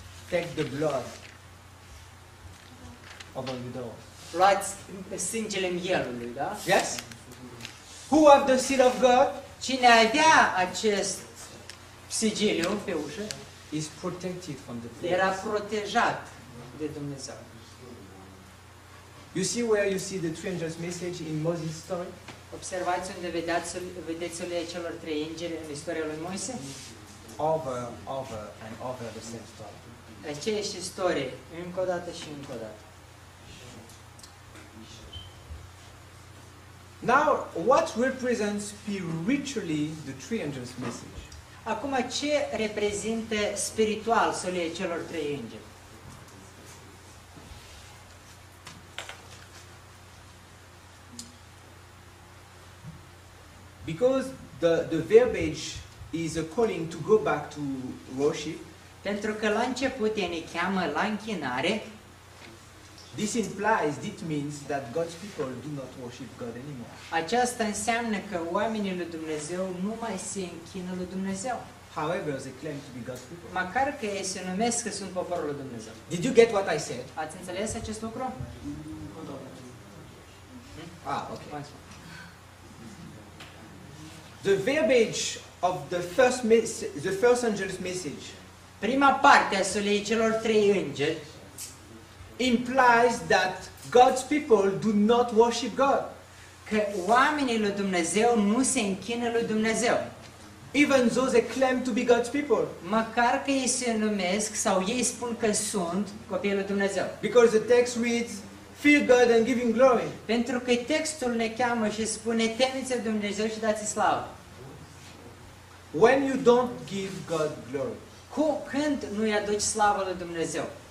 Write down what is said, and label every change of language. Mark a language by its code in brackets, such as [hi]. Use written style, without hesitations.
[en] Take the blood of the door. [ro] Luați sângele mielului, da? [en] Yes. Who have the seal of God? [ro] Cine avea acest sigiliu pe ușă? [en] Is protected from the [ro] blood. Era protejat de Dumnezeu. [en] You see where you see the three angels' message in Moses' story? [ro] Observați unde vedeți-o lui celor trei îngeri în istoria lui Moise? [en] Over and over the same story. [ro] Aceeași istorie, încă o dată și încă o dată. [en] Now, what represents spiritually the three angels' message? [ro] Acum, ce reprezintă spiritual solia celor trei îngeri? [en] Because the verbiage is a calling to go back to worship. [ro] Pentru că la început ei ne cheamă la închinare. [en] This implies, this means that God's people do not worship God anymore. [ro] Aceasta înseamnă că oamenii lui Dumnezeu nu mai se închină lui Dumnezeu. [en] However, they claim to be God's people. [ro] Măcar că ei se numesc că sunt poporul lui Dumnezeu. [en] Did you get what I said? [ro] Ați înțeles acest lucru? [en] Okay. The verbiage of the first angel's message. [ro] Prima parte a solei celor trei îngeri [en] implies that God's people do not worship God. [ro] Că oamenii lui Dumnezeu nu se închină lui Dumnezeu. [en] Even though they claim to be God's people. [ro] Măcar că ei se numesc sau ei spun că sunt copiii lui Dumnezeu. [en] Because the text reads, fear God and give Him glory. [ro] Pentru că textul ne cheamă și spune, temeți-vă Dumnezeu și dați-i slavă. [en] When you don't give God glory. [ro] Când nu îi aduci slavă lui Dumnezeu?